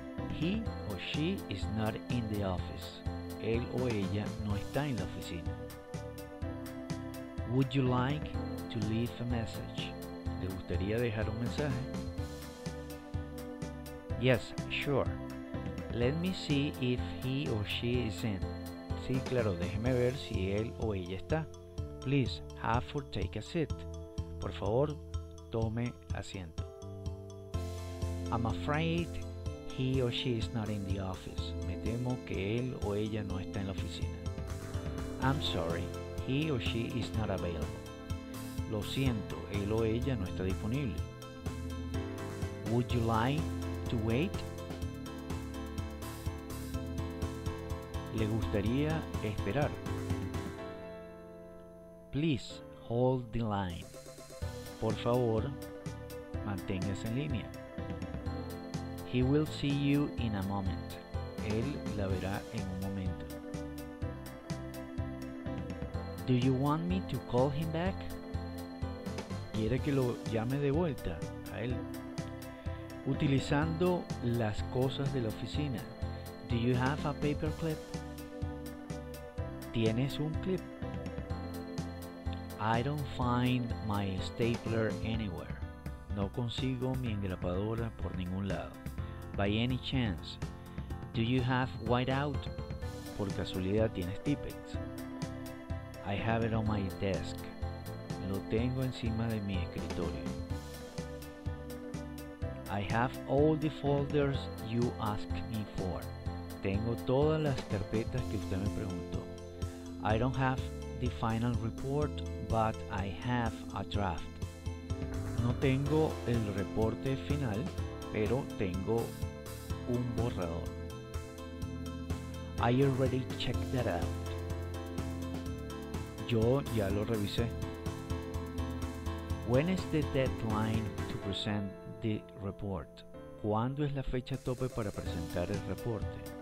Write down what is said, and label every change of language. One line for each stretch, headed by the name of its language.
English: He or she is not in the office.
Spanish: Él o ella no está en la oficina.
English: Would you like to leave a message?
Spanish: ¿Le gustaría dejar un mensaje?
English: Yes, sure. Let me see if he or she is in.
Spanish: Sí, claro, déjeme ver si él o ella está.
English: Please, have or take a seat.
Spanish: Por favor, tome asiento.
English: I'm afraid he or she is not in the office.
Spanish: Me temo que él o ella no está en la oficina.
English: I'm sorry, he or she is not available.
Spanish: Lo siento, él o ella no está disponible.
English: Would you like to wait?
Spanish: ¿Le gustaría esperar?
English: Please hold the line.
Spanish: Por favor, manténgase en línea.
English: He will see you in a moment.
Spanish: Él la verá en un momento.
English: Do you want me to call him back?
Spanish: ¿Quiere que lo llame de vuelta a él? Utilizando las cosas de la oficina.
English: Do you have a paperclip?
Spanish: ¿Tienes un clip?
English: I don't find my stapler anywhere.
Spanish: No consigo mi engrapadora por ningún lado.
English: By any chance, do you have whiteout?
Spanish: Por casualidad, ¿tienes Tippex?
English: I have it on my desk.
Spanish: Lo tengo encima de mi escritorio.
English: I have all the folders you asked me for.
Spanish: Tengo todas las carpetas que usted me preguntó.
English: I don't have the final report, but I have a draft.
Spanish: No tengo el reporte final, pero tengo un borrador.
English: I already checked that out.
Spanish: Yo ya lo revisé.
English: When is the deadline to present the report?
Spanish: ¿Cuándo es la fecha tope para presentar el reporte?